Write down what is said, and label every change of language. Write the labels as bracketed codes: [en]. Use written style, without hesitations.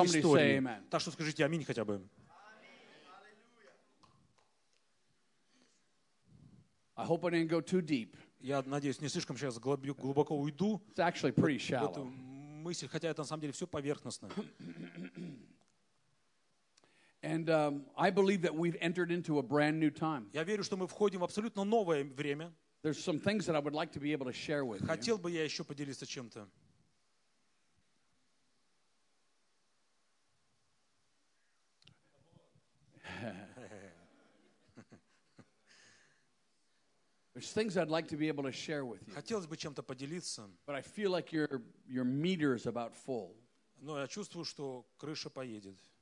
[en] Somebody say amen. [ru] Так что скажите аминь хотя бы. [en] I hope I didn't go too deep. [ru] Я надеюсь, не слишком сейчас глубоко уйду. [en] It's actually pretty shallow. [ru] Эту мысль, хотя это на самом деле все поверхностно. [en] And I believe that we've entered into a brand new time. [ru] Я верю, что мы входим в абсолютно новое время. [en] There's some things that I would like to be able to share with you. [ru] Хотел бы я еще поделиться чем-то. [en] There's things I'd like to be able to share with you. [ru] Хотелось бы чем-то поделиться. [en] But I feel like your meter is about full. [ru] Но я чувствую, что крыша поедет.